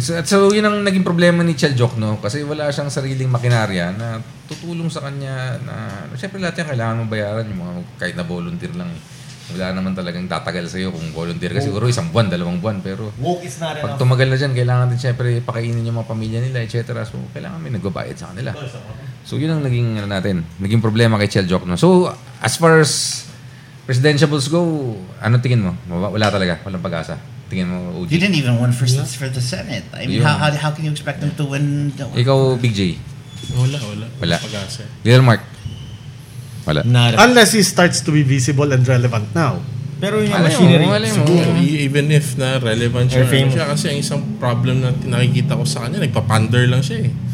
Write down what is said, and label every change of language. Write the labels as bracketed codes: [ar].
[tl] So, yun ang naging problema ni Chel Diokno kasi wala siyang sariling makinarya na tutulong sa kanya na siyempre lahat yan kailangan mo bayaran yung mga kahit na volunteer lang. Wala naman talagang tatagal sa iyo kung volunteer ka siguro isang buwan, dalawang buwan pero pag tumagal na diyan kailangan din siyempre pakainin yung mga pamilya nila etc. So kailangan may nagbabayad sa kanila. So yun ang naging natin, naging problema kay Chel Diokno. [en] So as far as presidentials go, ano tingin mo? [tl] Wala talaga, walang pag-asa. Tingin mo OG? [en] He didn't even win for the Senate. I mean, how can you expect him to win? [tl] Ikaw, Big J. Wala. Pag-asa. Little Mark. [en] Unless he starts to be visible and relevant now. [tl] Pero yung machinery, [en] even if [tl] na relevant siya, kasi ang isang problem na nakikita ko sa kanya, nagpa-pander lang siya eh.